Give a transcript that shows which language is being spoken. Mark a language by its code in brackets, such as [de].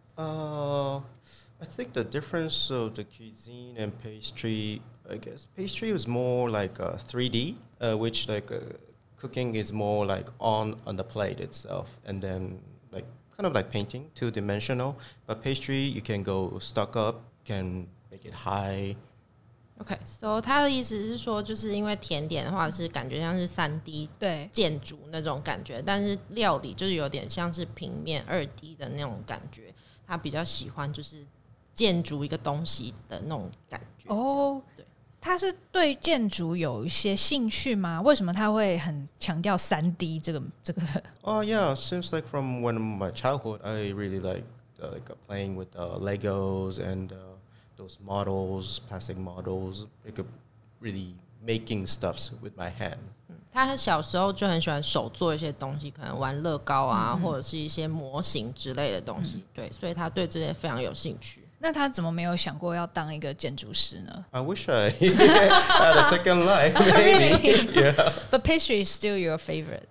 [en] I think the difference of the cuisine and pastry, I guess pastry was more like a 3D, which like cooking is more like on the plate itself, and then like kind of like painting, two-dimensional. But pastry, you can go stuck up, can make it high. Okay, so [zh] 他的意思是说，就是因为甜点的话是感觉像是 3D 对建筑那种感觉，但是料理就是有点像是平面 2D 的那种感觉。他比较喜欢就是建筑一个东西的那种感觉。对。他是对建筑有一些兴趣吗？为什么他会很强调 3D 这个？ [en] Yeah, seems like from when my childhood, I really like playing with Legos and those models, plastic models, like really making stuff with my hand. [zh] 他小时候就很喜欢手做一些东西，可能玩乐高啊，或者是一些模型之类的东西。对，所以他对这些非常有兴趣。那他怎么没有想过要当一个建筑师呢？ [en] I wish I had a second life, maybe. Really? Yeah. But pastry is still your favorite.